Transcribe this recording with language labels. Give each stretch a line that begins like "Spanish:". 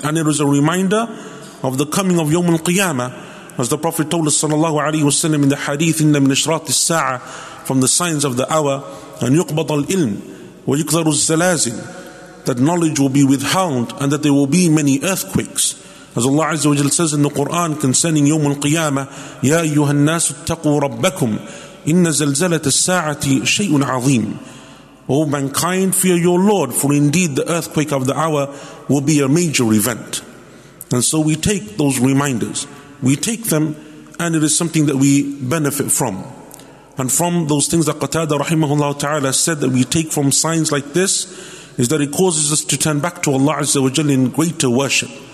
English: And it is a reminder of the coming of Yawm al-Qiyamah, as the Prophet told us sallallahu alayhi wa sallam in the hadith,
Arabic: inna min ashrati as-sa'ah,
English: from the signs of the hour, and
Arabic: يقبض العلم ويكثر الزلازل,
English: that knowledge will be withheld and that there will be many earthquakes. As Allah Azza wa Jalla says in the Quran concerning
Arabic: يوم القيامة, يا أيها الناس اتقوا ربكم إن زلزلة الساعة شيء عظيم.
English: O mankind, fear your Lord, for indeed the earthquake of the hour will be a major event. And so we take those reminders. We take them, and it is something that we benefit from. And from those things that Qatada rahimahullah ta'ala said that we take from signs like this, is that it causes us to turn back to Allah Azza wa Jalla in greater worship.